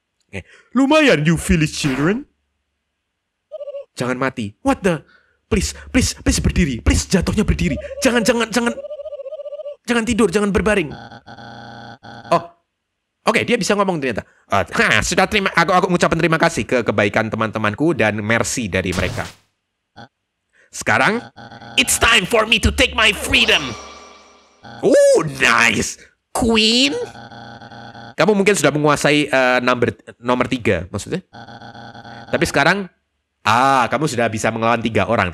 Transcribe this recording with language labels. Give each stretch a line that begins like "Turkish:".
Indonesian: Oke. Lumayan,
English: you foolish children.
Indonesian: Jangan mati.
English: What the?
Indonesian: Please berdiri. Please jatuhnya berdiri. Jangan. Jangan tidur, jangan berbaring. Oh. Oke, dia bisa ngomong ternyata. Sudah terima. Aku ngucapin terima kasih ke kebaikan teman-temanku dan mercy dari mereka.
English: Sekarang, it's time for me to take my freedom. Ooh, nice. Queen.
Indonesian: Kamu mungkin sudah menguasai nomor 3, maksudnya. Tapi sekarang, kamu sudah bisa melawan 3 orang.